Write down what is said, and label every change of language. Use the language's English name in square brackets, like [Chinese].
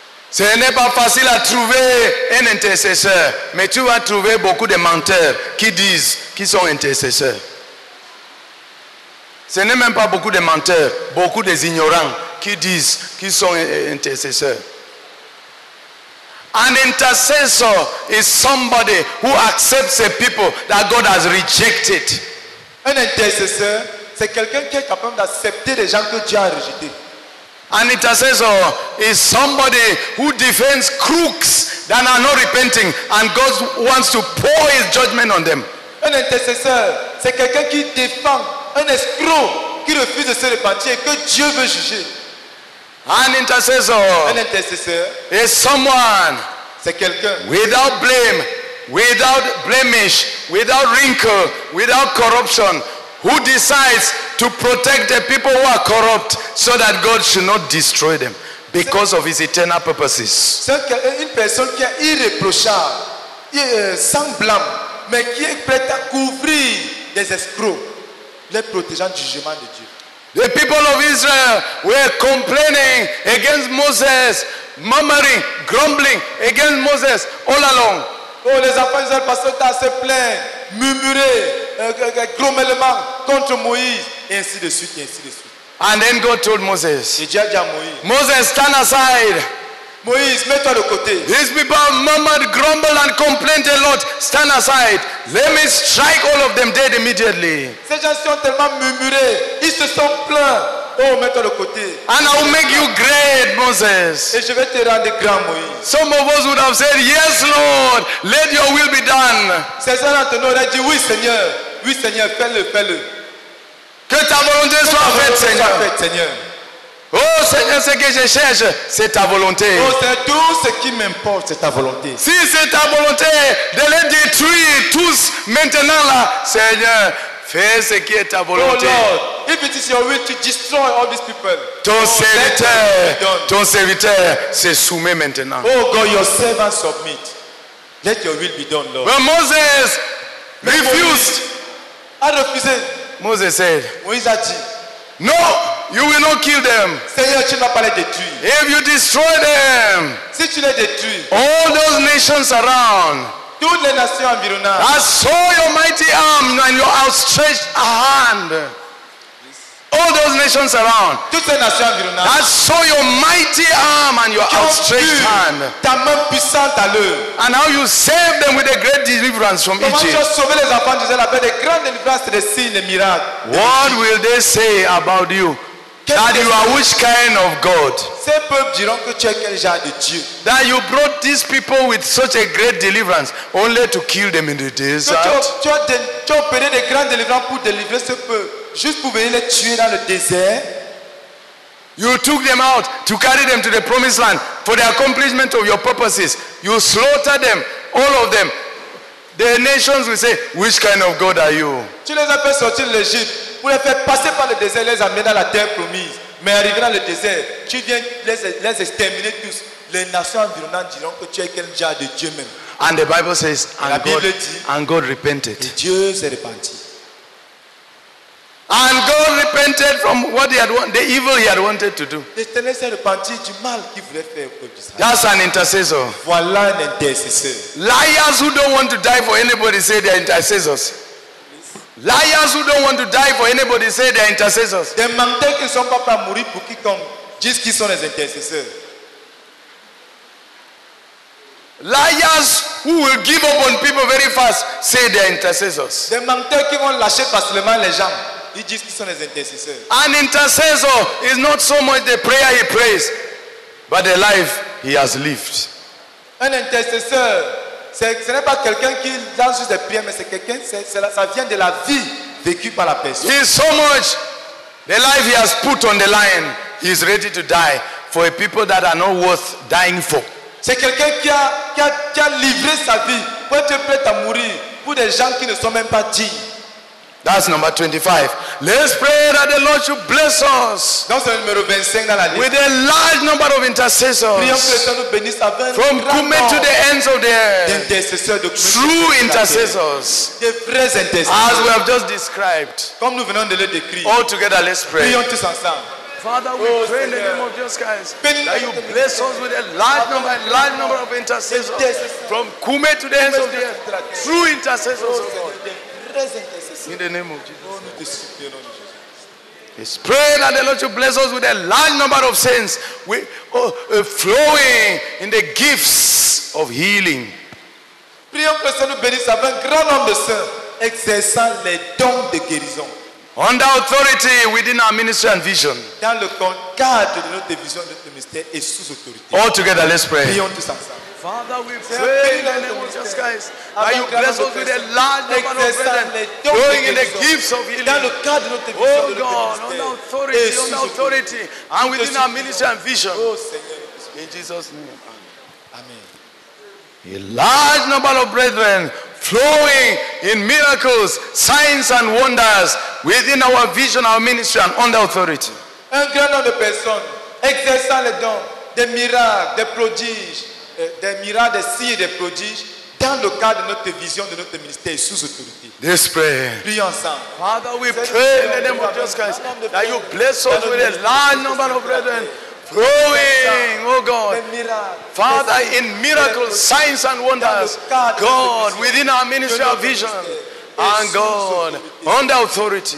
[French] Ce n'est pas facile à trouver un intercesseur, mais tu vas trouver beaucoup de menteurs qui disent qu'ils sont intercesseurs. Ce n'est même pas beaucoup de menteurs, beaucoup des ignorants qui disent qu'ils sont intercesseurs. [English] An intercessor is somebody who accepts a people that God has rejected. [French] Un intercesseur, c'est quelqu'un qui est capable d'accepter les gens que Dieu a rejetés. [English] An intercessor is somebody who defends crooks that are not repenting and God wants to pour his judgment on them. [French] Un intercesseur, c'est quelqu'un qui défend un escroc qui refuse de se repentir et que Dieu veut juger. [English] An intercessor is someone, [French] c'est quelqu'un, [English] without blame, without blemish, without wrinkle, without corruption, who decides to protect the people who are corrupt so that God should not destroy them because of his eternal purposes. [French] C'est une personne qui est irréprochable, sans blâme, mais qui est prête à couvrir des escrocs, les protégeant du jugement de Dieu. [English] The people of Israel were complaining against Moses, murmuring, grumbling against Moses all along. [French] Oh, les enfants d'Israël passaient à se plaindre, murmurer, grommellement contre Moïse, et ainsi de suite, et ainsi de suite. [English] And then God told Moses, [French] et Dieu dit à Moïse, [English] Moses, stand aside. [French] Moïse, mets-toi de côté. [English] These people murmured, grumbled, and complained a lot. Stand aside. Let me strike all of them dead immediately. [French] Ces gens sont tellement murmuré, ils se sont plaints. Oh, mets-toi de côté. [English] And I will make you great, Moses. [French] Et je vais te rendre grand, Moïse. [English] Some of us would have said, yes, Lord, let your will be done. [French] C'est ça, l'entendu, on a dit, oui, Seigneur, fais-le, fais-le. Que ta volonté soit faite, Seigneur. Fait, Seigneur. Oh, Seigneur, ce que je cherche, c'est ta volonté. Oh, c'est tout ce qui m'importe, c'est ta volonté. Si c'est ta volonté de les détruire tous maintenant là, Seigneur, fais ce qui est ta volonté. [English] Oh Lord, if it is your will to destroy all these people, [French] ton serviteur se soumet maintenant. [English] Oh God, your servant submit. Let your will be done, Lord. But Moses refused. Moses said, [French] Moïse a dit, [English] no, you will not kill them. [French] Seigneur, tu n'as pas les détruit. [English] If you destroy them, [French] si tu les détruis, [English] all those nations around, [French] toutes les nations environnantes, [English] I saw your mighty arm and your outstretched hand. All those nations around, [French] toutes les nations environnantes, [English] I saw your mighty arm and your outstretched hand. [French] Ta main puissante à l'œil. [English] And how you saved them with a great deliverance from [French] comment [English] Egypt. [French] Comment tu as sauvé les enfants d'Israël avec des grandes délivrances, des signes, des miracles. [English] What will they say about you? That you are which kind of God? [French] Ces peuples diront que tu es quel genre de Dieu? [English] That you brought these people with such a great deliverance only to kill them in the desert. [French] Tu as opéré des grandes délivrances pour délivrer ce peuple. Juste pour venir les tuer dans le désert. [English] You took them out to carry them to the promised land. for the accomplishment of your purposes. You slaughter them, all of them. The nations will say, which kind of God are you? [French] Tu les as fait sortir de l'Égypte pour les faire passer par le désert, les amener dans la terre promise. Mais arrivé dans le désert, tu viens les exterminer tous. Les nations environnantes diront que tu es quel genre de Dieu même. [English] And the Bible says, and [French] la Bible [English] God, [French] dit, [English] and God repented. [French] Et Dieu s'est repenti. [English] And God repented from what he had wanted, the evil he had wanted to do. [French] L'Éternel s'est repenti du mal qu'il voulait faire au peuple [English] d'Israël. That's an intercessor. [French] Voilà un intercesseur. [English] Liars who don't want to die for anybody say they are intercessors. Liars who don't want to die for anybody say they are intercessors. [French] Des menteurs qui ne sont pas prêts à mourir pour quiconque disent qu'ils sont les intercesseurs. [English] Liars who will give up on people very fast say they are intercessors. [French] Des menteurs qui vont lâcher facilement les gens. Ils disent qu'ils sont les intercesseurs. [English] An intercessor is not so much the prayer he prays, but the life he has lived. [French] Un intercesseur, ce n'est pas quelqu'un qui lance juste des prières, mais c'est quelqu'un, ça vient de la vie vécue par la personne. [English] It's so much the life he has put on the line, he is ready to die for a people that are not worth dying for. [French] C'est quelqu'un qui a livré sa vie pour être prêt à mourir pour des gens qui ne sont même pas dignes. [English] That's number 25. Let's pray that the Lord should bless us. [French] Dans le numéro 25 dans la liste. [English] With a large number of intercessors. [French] Prions que le Seigneur nous bénisse avec [English] from Kume to the ends of the earth. [French] Intercesseurs de Kume. [English] True intercessors. [French] Des vrais intercesseurs. [English] As we have just described. [French] Comme nous venons de le décrire. [English] All together, let's pray. [French] Prions tous ensemble. [English] Father, we pray in the name of Jesus Christ that you bless us with a large number of intercessors from Kume to the ends of the earth. True intercessors, oh God. In the name of Jesus. Let's pray that the Lord should bless us with a large number of saints flowing in the gifts of healing. [French] Prions que Dieu nous bénisse avec un grand nombre de saints exerçant les dons de guérison. [English] Under authority within our ministry and vision. [French] Dans le cadre de notre vision, notre ministère est sous autorité. [English] All together, let's pray. [French] Prions tous ensemble. [English] Father, we pray in the name of Jesus Christ that you bless us with a large number of brethren growing in the gifts of healing. Oh God, on authority, and within our ministry and vision. In Jesus' name. Amen. A large number of brethren flowing in miracles, signs, and wonders within our vision, our ministry, and under authority. [French] Un grand nombre de personnes exerçant les dons, des miracles, des prodiges. Des miracles, des signes et des prodiges dans le cadre de notre vision, de notre ministère sous autorité. [English] Let's pray. [French] Prions ensemble. [English] Father, we pray in the name of Jesus Christ that you bless us with a large number of brethren growing, oh God. Father, in miracles, signs and wonders, God, within our ministry of vision and God, under authority.